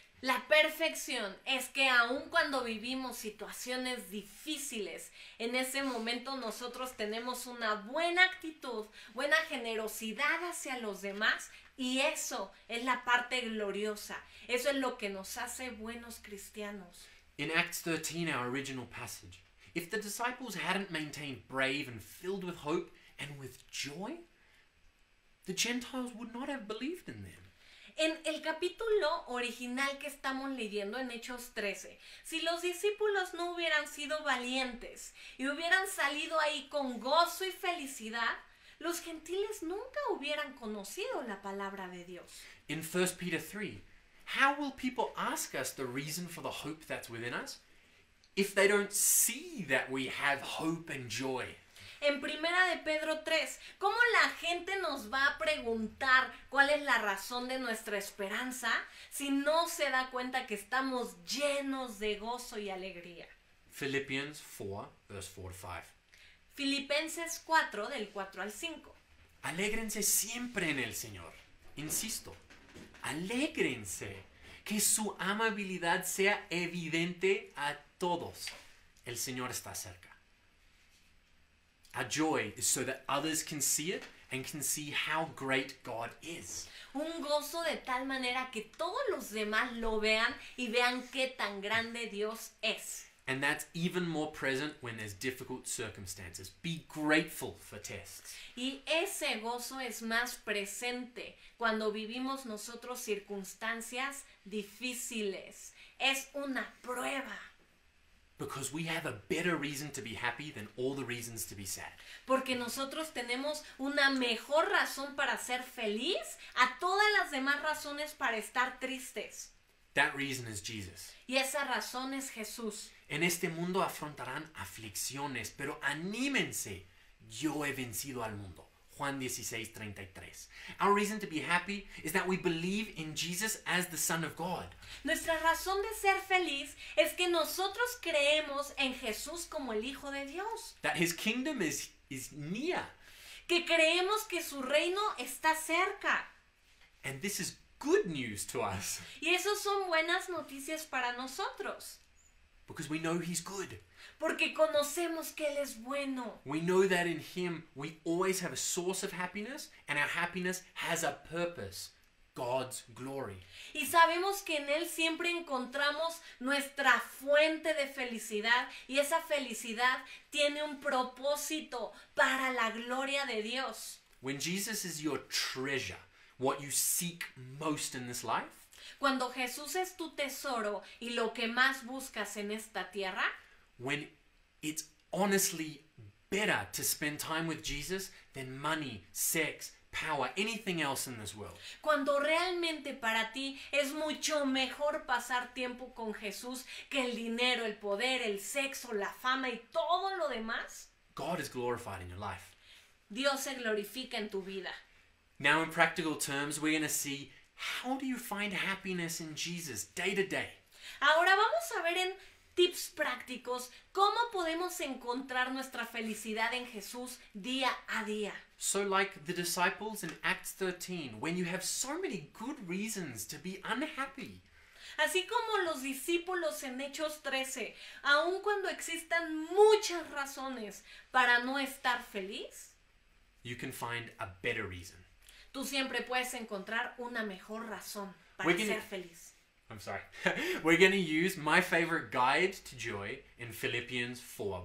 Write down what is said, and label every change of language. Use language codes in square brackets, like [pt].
[es] La perfección es que aun cuando vivimos situaciones difíciles, en ese momento nosotros tenemos una buena actitud, buena generosidad hacia los demás, y eso es la parte gloriosa. Eso es lo que nos hace buenos cristianos. [en] In Acts 13, our original passage, if the disciples hadn't maintained brave and filled with hope and with joy, the Gentiles would not have believed in them. [es] En el capítulo original que estamos leyendo, en Hechos 13, si los discípulos no hubieran sido valientes y hubieran salido ahí con gozo y felicidad, los gentiles nunca hubieran conocido la palabra de Dios. [en] In 1 Peter 3, how will people ask us the reason for the hope that's within us if they don't see that we have hope and joy? [es] En Primera de Pedro 3, ¿cómo la gente nos va a preguntar cuál es la razón de nuestra esperanza si no se da cuenta que estamos llenos de gozo y alegría? [en] Philippians 4, verse 4-5. [es] Filipenses 4, del 4 al 5. Alégrense siempre en el Señor. Insisto, alégrense. Que su amabilidad sea evidente a todos. El Señor está cerca. [en] Our joy is so that others can see it and can see how great God is. [es] Un gozo de tal manera que todos los demás lo vean y vean qué tan grande Dios es. [en] And that's even more present when there's difficult circumstances. Be grateful for tests. [es] Y ese gozo es más presente cuando vivimos nosotros circunstancias difíciles. Es una prueba. [en] Because we have a better reason to be happy than all the reasons to be sad. [es] Porque nosotros tenemos una mejor razón para ser feliz a todas las demás razones para estar tristes. [en] That reason is Jesus. [es] Y esa razón es Jesús. En este mundo afrontarán aflicciones, pero anímense. Yo he vencido al mundo. Juan 16:33. [en] Our reason to be happy is that we believe in Jesus as the Son of God. [es] Nuestra razón de ser feliz es que nosotros creemos en Jesús como el Hijo de Dios. [en] That his kingdom is near. [es] Que creemos que su reino está cerca. [en] And this is good news to us. [es] Y eso son buenas noticias para nosotros. [en] Because we know he's good. [es] Porque conocemos que Él es bueno. [en] We know that in Him we always have a source of happiness and our happiness has a purpose, God's glory. [es] Y sabemos que en Él siempre encontramos nuestra fuente de felicidad y esa felicidad tiene un propósito para la gloria de Dios. [en] When Jesus is your treasure, what you seek most in this life, [es] cuando Jesús es tu tesoro y lo que más buscas en esta tierra, [en] when it's honestly better to spend time with Jesus than money, sex, power, anything else in this world. [es] Cuando realmente para ti es mucho mejor pasar tiempo con Jesús que el dinero, el poder, el sexo, la fama y todo lo demás. [en] God is glorified in your life. [es] Dios se glorifica en tu vida. [en] Now in practical terms, we're going to see how do you find happiness in Jesus day to day. [es] Ahora vamos a ver en tips prácticos, ¿cómo podemos encontrar nuestra felicidad en Jesús día a día? [en] So like the disciples in Acts 13, when you have so many good reasons to be unhappy. [es] Así como los discípulos en Hechos 13, aun cuando existan muchas razones para no estar feliz, [en] you can find a better reason. [es] Tú siempre puedes encontrar una mejor razón para ser feliz. [en] I'm sorry. We're going to use my favorite guide to joy in Philippians 4.